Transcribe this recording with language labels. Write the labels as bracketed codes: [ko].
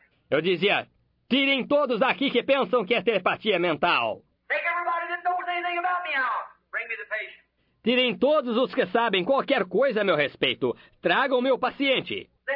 [pt] Eu dizia, tirem todos daqui que pensam que é telepatia mental. [en] Take everybody that knows anything about me out. Bring me the patient. [pt] Tirem todos os que sabem qualquer coisa a meu respeito. Tragam meu paciente.